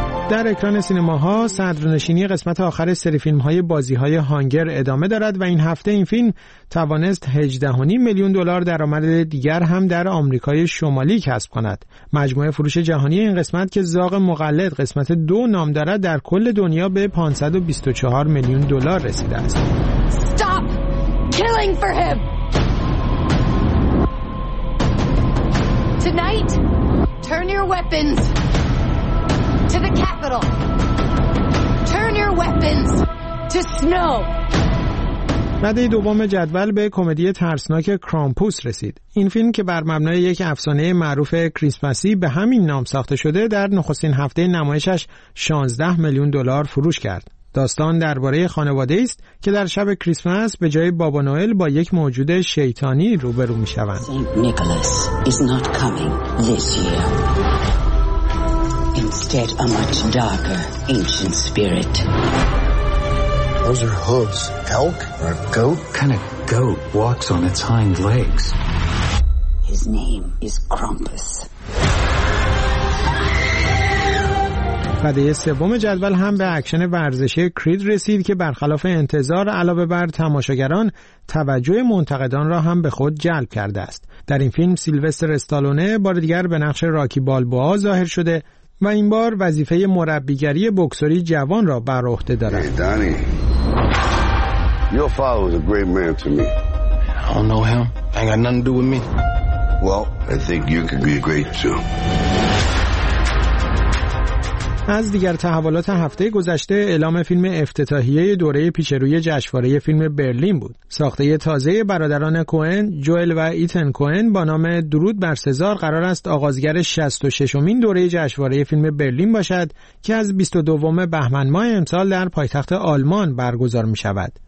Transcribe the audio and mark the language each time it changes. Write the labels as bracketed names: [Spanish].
[Persian] در اکران سینماها صدرنشینی قسمت آخر سری فیلم‌های بازی‌های هانگر ادامه دارد و این هفته این فیلم توانست 18.5 میلیون دلار درآمد دیگر هم در آمریکای شمالی کسب کند. مجموعه فروش جهانی این قسمت که زاغ مقلد قسمت 2 نام دارد در کل دنیا به 524 میلیون دلار رسیده است. [English] Stop killing for him. Tonight Turn your weapons to the capital. Turn your weapons to snow. [Persian] رده دوم جدول به کمدی ترسناک کرامپوس رسید. این فیلم که بر مبنای یک افسانه معروف کریسمسی به همین نام ساخته شده، در نخستین هفته نمایشش 16 میلیون دلار فروش کرد. داستان درباره خانواده است که در شب کریسمس به جای بابا نوئل با یک موجود شیطانی روبرو می شوند. [English] Saint Nicholas is not coming this year. Instead a much darker ancient spirit. Those are hooves. Elk or a goat? What kind of goat walks on its hind legs? His name is Krampus. [Persian] رده سوم جدول هم به اکشن ورزشی کرید رسید که برخلاف انتظار علاوه بر تماشاگران، توجه منتقدان را هم به خود جلب کرده است. در این فیلم سیلوستر استالونه بار دیگر به نقش راکی بالبوا ظاهر شده و این بار وظیفه مربیگری بکسوری جوان را بر عهده دارد. [English] Hey, Donnie. Your father was a great man to me. I don't know him. I got nothing to do with me. Well, I think you could be great too. [Persian] از دیگر تحولات هفته گذشته، اعلام فیلم افتتاحیه دوره پیشروی جشنواره فیلم برلین بود. ساخته تازه برادران کوئن، جوئل و ایتن کوئن با نام درود بر سزار قرار است آغازگر 66مین دوره جشنواره فیلم برلین باشد که از 22 بهمن ماه امسال در پایتخت آلمان برگزار می‌شود.